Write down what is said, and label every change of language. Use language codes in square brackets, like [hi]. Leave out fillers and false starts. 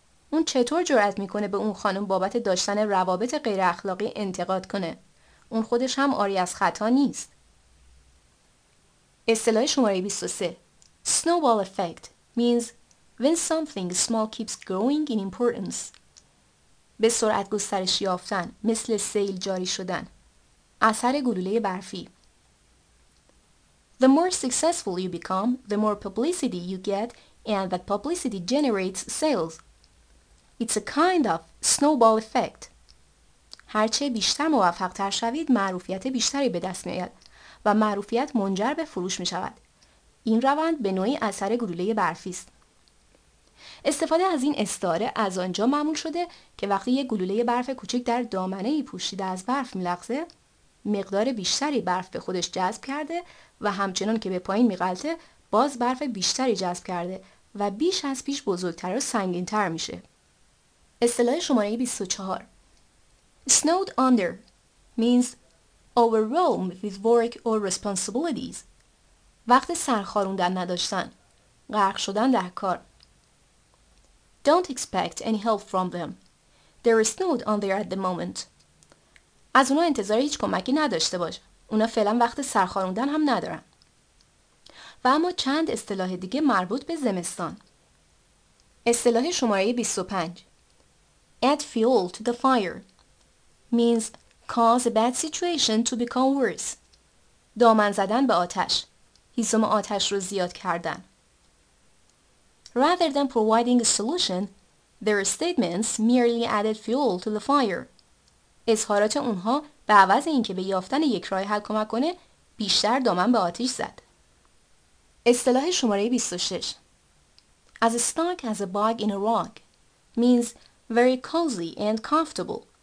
[fa] اون چطور جرأت میکنه به اون خانم بابت داشتن روابط غیر اخلاقی انتقاد کنه؟ اون خودش هم عاری از خطا نیست. اصطلاح شماره [en] 23 Snowball effect means when something small keeps growing in importance. [fa] به سرعت گسترش یافتن، مثل سیل جاری شدن. اثر گلوله برفی. [en] The more successful you become, the more publicity you get, and that publicity generates sales. It's a kind of snowball effect. [fa] هرچه بیشتر موفق تر شوید، معروفیت بیشتری به دست میاد و معروفیت منجر به فروش می شود. این روند به نوعی اثر گلوله برفی است. استفاده از این استعاره از آنجا معمول شده که وقتی یک گلوله برف کوچک در دامنه‌ای پوشیده از برف می‌لغزد، مقدار بیشتری برف به خودش جذب کرده و همچنان که به پایین می‌غلطه باز برف بیشتری جذب کرده و بیش از پیش بزرگتر و سنگین‌تر میشه. اصطلاح شماره [en] 24 Snowed under means overwhelmed with work or responsibilities. [fa] وقت سرخاروندن نداشتن، غرق شدن در کار. [en] Don't expect any help from them. They're snowed under at the moment. [fa] از اونا انتظار هیچ کمکی نداشته باش. اونا فعلا وقت سرخاروندن هم ندارن. و اما چند اصطلاح دیگه مربوط به زمستان. اصطلاح شماره [en] 25 add fuel to the fire means cause a bad situation to become worse. [fa] دامن زدن به آتش، هیزم آتش رو زیاد کردن. [en] Rather than providing a solution, their statements merely added fuel to the fire. [fa] اظهارات اونها به عوض اینکه به یافتن یک راه حل کمک کنه، بیشتر دامن به آتش زد. اصطلاح شماره [en] 26 As snug as a bug in a rug means very cozy and comfortable.